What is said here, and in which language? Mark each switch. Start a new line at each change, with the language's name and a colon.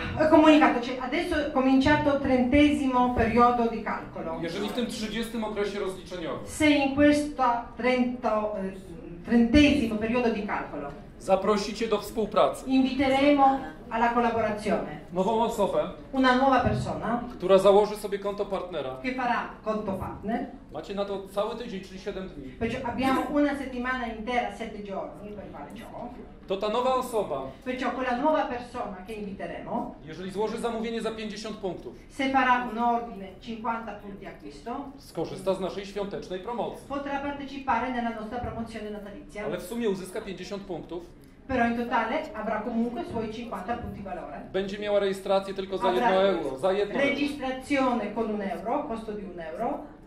Italian: Komunikato, cioè adesso è cominciato il 30° periodo di calcolo.
Polish: Jeżeli w tym 30 okresie rozliczeniowym.
Italian: Se in questo 30° periodo di calcolo.
Polish: Zaprosicie do współpracy.
Italian: Inviteremo alla collaborazione.
Polish: Nową osobę.
Italian: Una nuova persona.
Polish: Która założy sobie konto partnera.
Italian: Che farà conto partner.
Polish: Macie na to cały tydzień, czyli 7 dni.
Italian: Perciò abbiamo una settimana intera, 7 giorni per fare ciò.
Polish: To ta nowa osoba.
Italian: Perciò quella nuova persona che inviteremo.
Polish: Jeżeli złoży zamówienie za 50 punktów.
Italian: Se farà un ordine 50 punti acquisto.
Polish: Skorzysta z naszej świątecznej promocji.
Italian: Potrà partecipare nella nostra promozione natalizia.
Polish: Ale w sumie uzyska 50 punktów.
Italian: Però in totale avrà comunque suoi 50 punti valore.
Polish: Będzie miała rejestrację tylko za 1 euro. Za 1 euro.
Italian: Registrazione con 1 euro, costo di 1 euro.